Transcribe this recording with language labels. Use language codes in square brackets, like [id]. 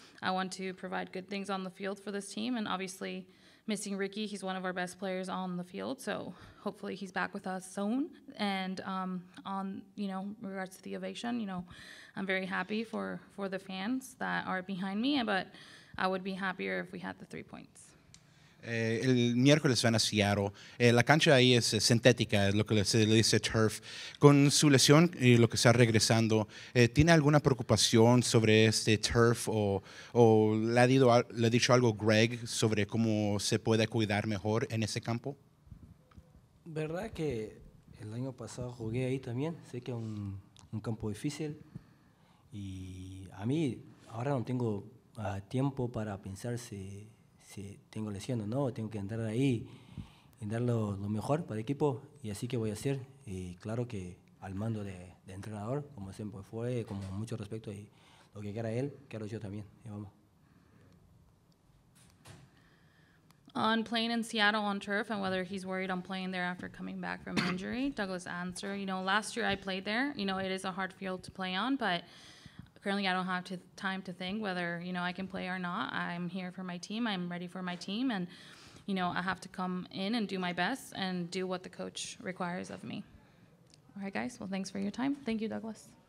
[en] I want to provide good things on the field for this team, and obviously missing Ricky, he's one of our best players on the field, so hopefully he's back with us soon. And on, you know, regards to the ovation, you know, I'm very happy for the fans that are behind me, but I would be happier if we had the 3 points. [es] El miércoles van a Seattle. La cancha ahí es sintética, lo que se le dice turf. Con su lesión y lo que está regresando, ¿tiene alguna preocupación sobre este turf o le ha dicho algo Greg sobre cómo se puede cuidar mejor en ese campo? Verdad que el año pasado jugué ahí también. Sé que es un campo difícil. Y a mí ahora no tengo tiempo para pensar si tengo lesión o no, tengo que entrar ahí y dar lo mejor para el equipo, y así que voy a hacer. Y claro que al mando de entrenador, como siempre fue, con mucho respeto, y lo que quiera él, quiero yo también. Y vamos. [en] On playing in Seattle on turf and whether he's worried on playing there after coming back from injury, Douglas answer, you know, last year I played there, you know, it is a hard field to play on, but currently, I don't have time to think whether, you know, I can play or not. I'm here for my team. I'm ready for my team. And, you know, I have to come in and do my best and do what the coach requires of me. All right, guys. Well, thanks for your time. Thank you, Douglas.